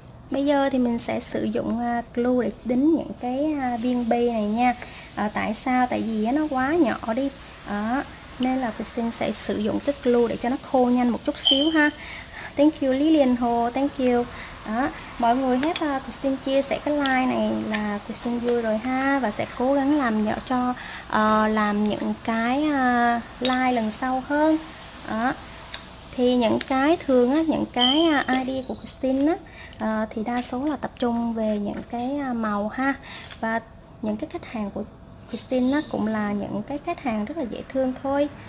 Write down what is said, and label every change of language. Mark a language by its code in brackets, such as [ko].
[vi] Bây giờ thì mình sẽ sử dụng glue để đính những cái viên bi này nha. Tại sao? Tại vì nó quá nhỏ đi. Đó, nên là Christine sẽ sử dụng cái glue để cho nó khô nhanh một chút xíu ha. [en] Thank you Lilian Hồ, thank you. [vi] Đó, mọi người hết Christine chia sẻ cái like này là Christine vui rồi ha, và sẽ cố gắng làm nhỏ cho làm những cái like lần sau hơn. Đó, thì những cái thường á, những cái ID của Christine á, thì đa số là tập trung về những cái màu ha, và những cái khách hàng của Christine nó cũng là những cái khách hàng rất là dễ thương thôi.